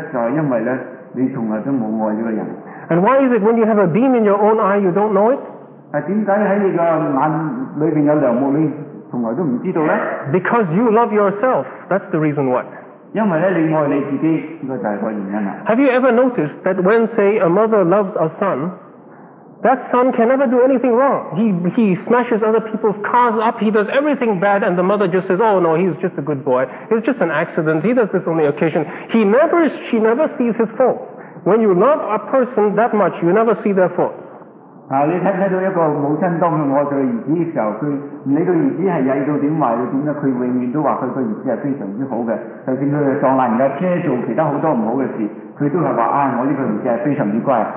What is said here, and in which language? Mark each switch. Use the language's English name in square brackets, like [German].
[Chinese] 就是因为呢，你从来都没爱这个人。 [English] And why is it when you have a beam in your own eye, you don't know it? [Chinese] 为什么在你的眼里面有良目，你从来都不知道呢？ [English] Because you love yourself, that's the reason why. [Chinese] 因為你愛你自己，這個就是個原因。 [English] Have you ever noticed that when, say, a mother loves a son, that son can never do anything wrong? He smashes other people's cars up, he does everything bad, and the mother just says, oh no, he's just a good boy, it's just an accident, he does this only occasion. She never sees his fault. When you love a person that much, you never see their fault. [Chinese] 你看到一個母親當愛他兒子的時候，你的兒子是曳到怎樣壞，他永遠都說他的兒子是非常好的，就算他撞爛人家車做其他很多不好的事，他都是說、我這個兒子是非常乖。為什麼？